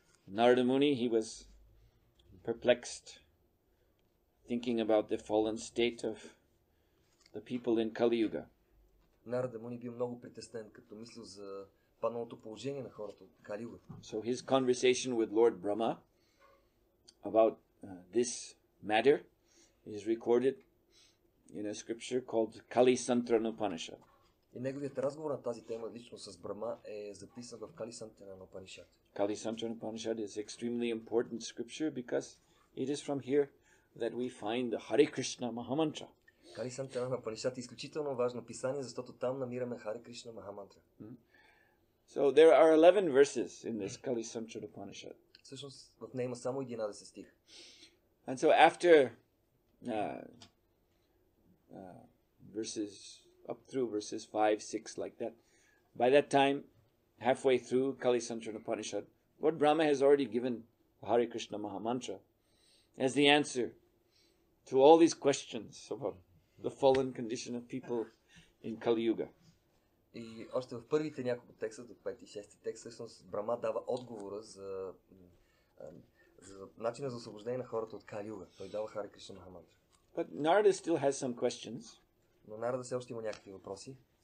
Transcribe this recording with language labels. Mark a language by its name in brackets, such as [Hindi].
[English] Narada Muni, he was perplexed, thinking about the fallen state of the people in Kali Yuga. [Bulgarian] Narada Muni бил много притеснен, като мислил за паналото положение на хората от Кали Юга. [English] So his conversation with Lord Brahma about this matter is recorded in a scripture called Kali Santran Upanishad. [Bulgarian] И неговият разговор на тази тема лично с Брама е записан в Kali Santran Upanishad. [English] Kali Santran Upanishad is extremely important scripture because it is from here that we find the Hare Krishna Mahamantra. [Bulgarian] Kali Santran Upanishad е изключително важно писание, защото там намираме Hare Krishna Mahamantra. Mm-hmm. [English] So there are 11 verses in this Kali Santran Upanishad. [Bulgarian] Всъщност в нея има само 11 стих. [English] And so after verses up through verses 5, 6, like that. By that time, halfway through Kali Santran Upanishad, Lord Brahma has already given the Hare Krishna Mahamantra as the answer to all these questions about the fallen condition of people in Kali Yuga. [Bulgarian] И още в първите няколко текста, до 5-6 текст, всъщност Брама дава отговора за начина за освобождение на хората от Кали Юга. Той дава Хари Кришна Махамантра. [English] But Narada still has some questions. [Bulgarian] Но Нарада все още има някакви въпроси.